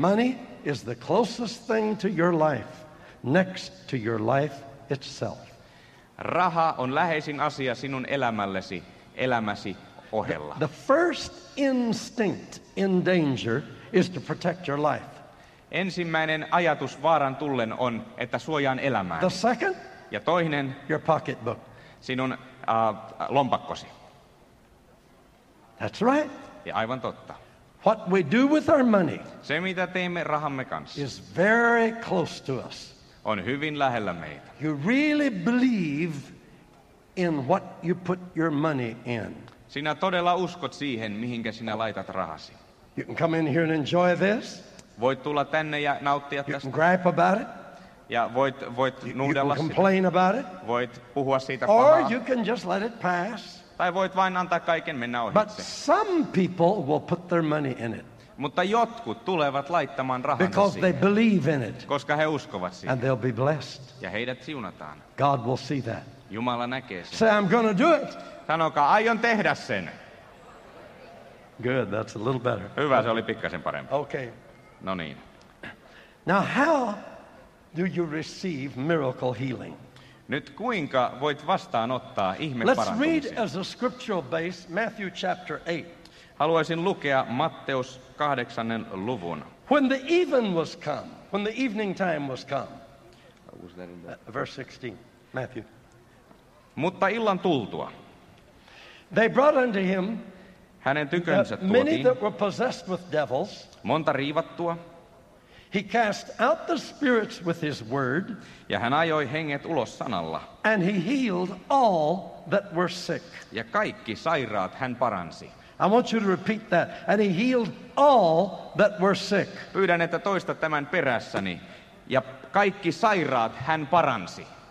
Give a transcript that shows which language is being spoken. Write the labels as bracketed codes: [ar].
[en] Money is the closest thing to your life, next to your life itself. [fi] Raha on läheisin asia sinun elämällesi, elämäsi ohella. [en] The first instinct in danger is to protect your life. [fi] Ensimmäinen ajatus vaaran tullen on, että suojaan elämää. [en] The second, [fi] ja toinen, [en] your pocketbook. [fi] Sinun lompakkosi. [en] That's right. [fi] Ja aivan totta. [en] What we do with our money, [fi] se mitä teemme rahamme kanssa, [en] is very close to us. [fi] On hyvin lähellä meitä. [en] You really believe in what you put your money in. [fi] Sinä todella uskot siihen, mihinkä sinä laitat rahasi. [en] You can come in here and enjoy this. [fi] Voit tulla tänne ja nauttia tästä. [en] You can gripe about it. [fi] Ja voit nuudella sitä. [en] You can complain about it. [fi] Voit puhua siitä pahaa. [en] Or you can just let it pass. [fi] Tai voit vain antaa kaiken mennä ohitse. [en] But some people will put their money in it. [fi] Mutta jotkut tulevat laittamaan rahansa siihen. [en] Because they believe in it. [fi] Koska he uskovat siihen. [en] And they'll be blessed. [fi] Ja heidät siunataan. [en] God will see that. [fi] Jumala näkee sen. [en] Say, I'm gonna do it. [fi] Sanokaa, aion tehdä sen. [en] Good, that's a little better. [fi] Hyvä, se oli pikkasen parempi. [en] Okay. [fi] No niin. [en] Now how do you receive miracle healing? [fi] Nyt kuinka voit vastaanottaa ihmeparantumisen? [en] Let's read as a scriptural base Matthew chapter 8. [fi] Haluaisin lukea Matteus 8. luvun. [en] When the even was come, when the evening time was come. Verse 16, Matthew. [fi] Mutta illan tultua. [en] They brought unto him [fi] hänen tykönsä tuotiin, [en] many that were possessed with devils. [fi] Monta riivattua. [en] He cast out the spirits with his word. [fi] Ja hän ajoi henget ulos sanalla. [en] And he healed all that were sick. [fi] Ja kaikki sairaat hän paransi. [en] I want you to repeat that. And he healed all that were sick. [fi] Pyydän, että toista tämän perässäni. Ja kaikki sairaat hän paransi.